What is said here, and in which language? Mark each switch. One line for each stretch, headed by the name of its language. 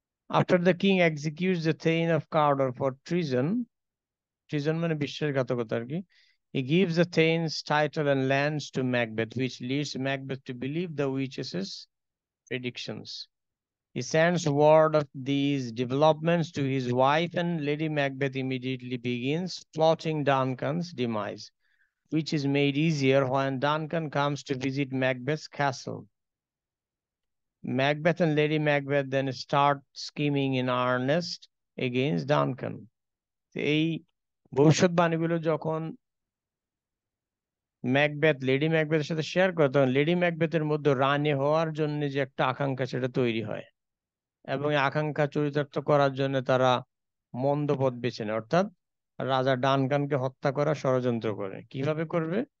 English: after the king execute the thane of Cawdor for treason,
Bangla: treason মানে বিশ্বাসঘাতকতা আর কি,
English: He gives the thanes title and lands to Macbeth, which leads Macbeth to believe the witches predictions. He sends word of these developments to his wife, and Lady Macbeth immediately begins plotting Duncan's demise, which is made easier when Duncan comes to visit Macbeth's castle. Macbeth and Lady Macbeth then start scheming in earnest against Duncan.
Bangla: এই ভবিষ্যৎবাণী গুলো যখন Macbeth lady ম্যাকবেথের সাথে share করে, তখন lady ম্যাকবেথের মধ্যে রানী হওয়ার জন্য যে একটা আকাঙ্ক্ষা সেটা তৈরি হয়, এবং আকাঙ্ক্ষা চরিতার্থ করার জন্য তারা মন্দ পথ বেছে নেয়, অর্থাৎ রাজা ডানকানকে হত্যা করা ষড়যন্ত্র করে। কিভাবে করবে?